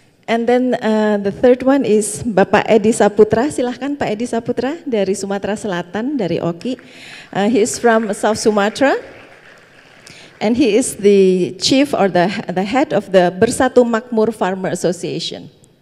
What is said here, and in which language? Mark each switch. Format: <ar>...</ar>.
<en>And then the third one is Bapak Edi Saputra.</en> <id>Silahkan Pak Edi Saputra dari Sumatera Selatan, dari OKI.</id> <en>He is from South Sumatra. And he is the chief or the head of the Bersatu Makmur Farmer Association.</en>